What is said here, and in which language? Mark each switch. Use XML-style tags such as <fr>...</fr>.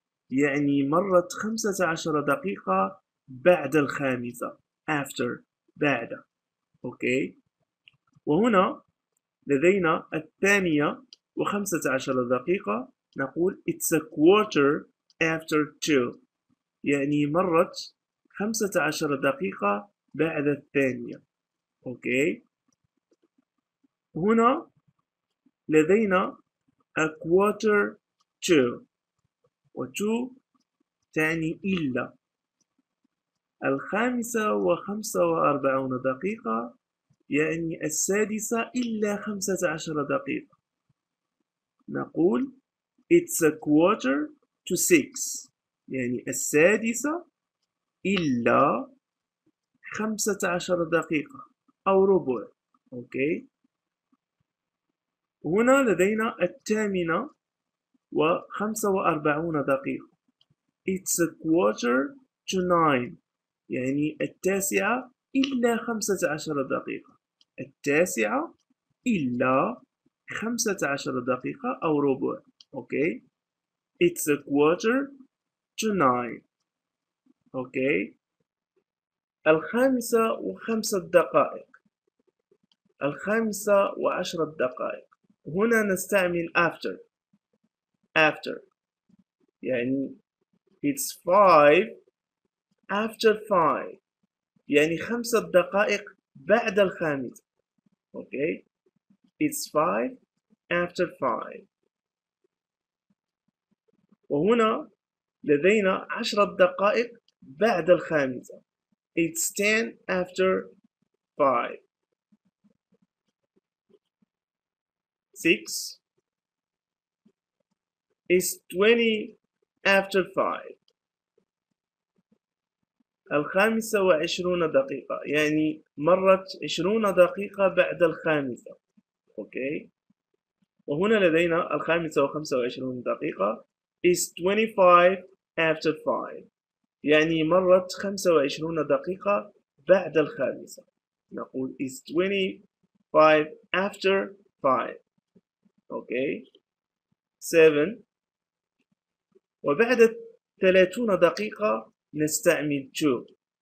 <ar>يعني مرت 15 دقيقة بعد 5. After. بعد. Okay. وهنا لدينا 2:15. نقول</ar> <en>it's a quarter after two.</en> <ar>يعني مرت 15 دقيقة بعد 2. Okay. هنا لدينا</ar> <en>a quarter to,</en> <ar>وto تعني إلا. الخامسة وخمسة وأربعون دقيقة يعني السادسة إلا 15 دقيقة. نقول</ar> <en>it's a quarter to six</en> <ar>يعني السادسة إلا 15 دقيقة أو ربع. أوكي. هنا لدينا الثامنة وخمسة وأربعون دقيقة.</ar> <en>It's a quarter to nine</en> <ar>يعني التاسعة إلا 15 دقيقة. التاسعة إلا 15 دقيقة أو ربع.</ar> <en>Okay. It's a quarter to nine. Okay.</en> <ar>الخامسة وخمسة دقائق. الخامسة وعشرة دقائق. هنا نستعمل after. After يعني</ar> <en>it's five after five</en> <ar>يعني 5 دقائق بعد الخامسة.</ar> <en>Okay, it's five after five.</en> <ar>وهنا لدينا 10 دقائق بعد الخامسة.</ar> <en>It's ten after five. Six. It's 20 after 5.</en> <ar>الخامسة وعشرون دقيقة يعني مرت 20 دقيقة بعد الخامسة.</ar> <en>Okay.</en> <ar>وهنا لدينا الخامسة وخمسة وعشرون دقيقة.</ar> <en>It's 25 after 5</en> <ar>يعني مرت 25 دقيقة بعد الخامسة. نقول</ar> <en>it's 25 after 5. Okay. Seven.</en> <ar>وبعد 30 دقيقة نستعمل to.</ar>